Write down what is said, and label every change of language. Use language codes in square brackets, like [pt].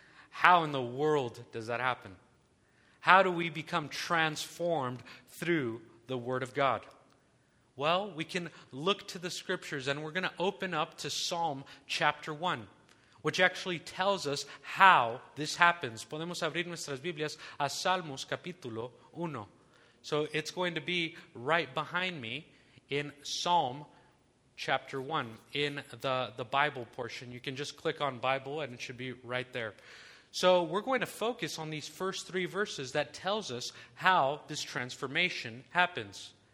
[en] How in the world does that happen? How do we become transformed through the Word of God? Well, we can look to the Scriptures, and we're going to open up to Psalm chapter 1. Which actually tells us how this happens. [es] Podemos abrir nuestras Biblias a Salmos capítulo 1. [en] So it's going to be right behind me in Psalm chapter 1 in the Bible portion. You can just click on Bible and it should be right there. So we're going to focus on these first three verses that tells us how this transformation happens.